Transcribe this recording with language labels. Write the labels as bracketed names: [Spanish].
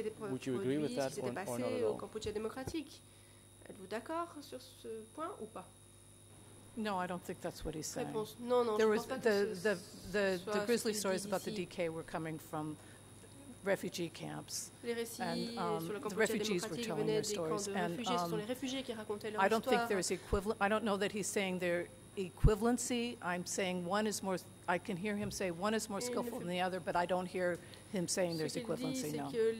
[English] Would you agree with that or not at all? [French] Êtes-vous d'accord sur ce point ou pas? [English] No, I don't think that's what he's saying. [French] Réponse, non, [English] there was the grisly stories about the DK were coming from refugee camps, and the refugees were telling their stories, and I don't think there's equivalent, I don't know that he's saying their equivalency, I'm saying one is more, I can hear him say one is more skillful than the other, but I don't hear him saying there's equivalency, no.